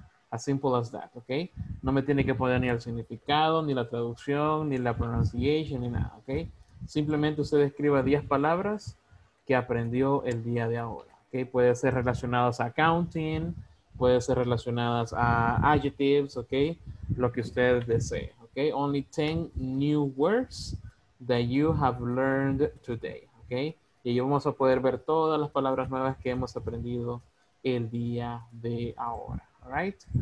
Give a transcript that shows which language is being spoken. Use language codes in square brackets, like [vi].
[en] As simple as that, [es] ¿ok? No me tiene que poner ni el significado, ni la traducción, ni la pronunciation, ni nada, ¿ok? Simplemente usted escriba 10 palabras que aprendió el día de ahora, ¿ok? Puede ser relacionadas a counting, puede ser relacionadas a adjectives, ¿ok? Lo que usted desee, ¿ok? [en] Only 10 new words that you have learned today, okay? [es] Y yo vamos a poder ver todas las palabras nuevas que hemos aprendido el día de ahora, all right?